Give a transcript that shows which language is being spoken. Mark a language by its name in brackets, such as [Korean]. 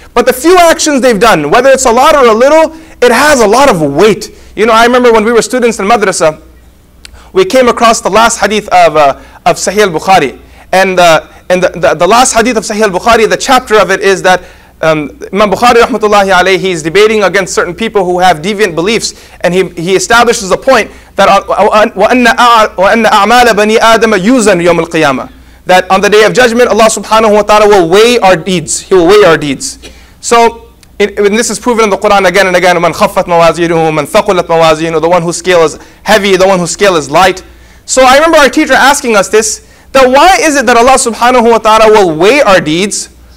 [English] But the few actions they've done, whether it's a lot or a little, it has a lot of weight. You know, I remember when we were students in madrasa, we came across the last hadith of Sahih al-Bukhari. And the last hadith of Sahih al-Bukhari, the chapter of it is that Imam Bukhari, rahmatullahi alayhi, he's debating against certain people who have deviant beliefs. [Arabic] And he establishes a point that وَأَنَّ أَعْمَالَ بَنِي آدَمَ يُوزَنُ يَوْمُ الْقِيَامَةِ. [English] That on the day of judgment, Allah subhanahu wa ta'ala will weigh our deeds. He will weigh our deeds. So, and this is proven in the Quran again and again, [Arabic] man khaffat mawazinuhu, man thaqulat mawazinuhu, [English] the one whose scale is heavy, the one whose scale is light. So I remember our teacher asking us this, that why is it that Allah subhanahu wa ta'ala will weigh our deeds?